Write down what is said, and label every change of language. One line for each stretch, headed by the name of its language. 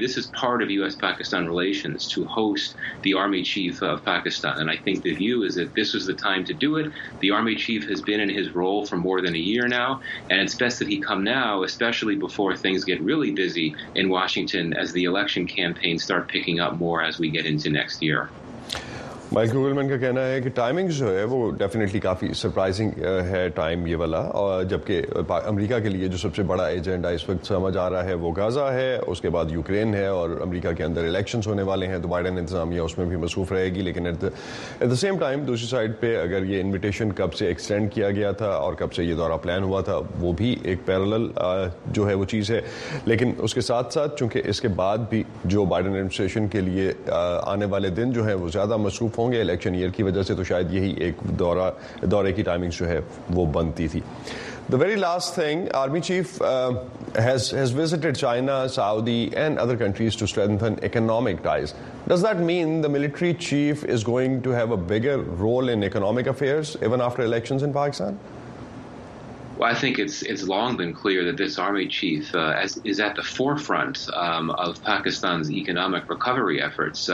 English: This is part of U.S.-Pakistan relations to host the army chief of Pakistan. And I think the view is that this was the time to do it. The army chief has been in his role for more than a year now, and it's best that he come now, especially before things get really busy in Washington as the election campaign start picking up more as we get into next year.
Urdu: Michael گوگلمین کا کہنا ہے کہ timing جو ہے وہ definitely کافی surprising ہے time یہ والا, اور جبکہ امریکہ کے لیے جو سب سے بڑا ایجنڈا اس وقت سمجھ آ رہا ہے وہ غزہ ہے, اس کے بعد یوکرین ہے, اور امریکہ کے اندر الیکشنز ہونے والے ہیں تو بائیڈن انتظامیہ اس میں بھی مصروف رہے گی. لیکن
English: at the same time
Urdu: دوسری سائڈ پہ اگر یہ انویٹیشن کب سے ایکسٹینڈ کیا گیا تھا اور کب سے یہ دورہ پلان ہوا تھا وہ بھی ایک پیرلل جو ہے وہ چیز ہے, لیکن اس کے ساتھ ساتھ چونکہ اس کے بعد بھی جو بائیڈن ایڈمنسٹریشن کے لیے آنے والے دن جو ہیں وہ زیادہ مصروف ہوں ہوں گے الیکشن ایئر کی وجہ سے, تو شاید یہی ایک دورے کی ٹائمنگ جو ہے وہ بنتی تھی.
English: The very last thing, Army Chief has visited China, Saudi and other countries to strengthen economic ties. Does that mean the military chief is going to have a bigger role in economic affairs even after elections in Pakistan? Well, I think it's long been clear that this army chief is at the forefront of Pakistan's economic recovery efforts.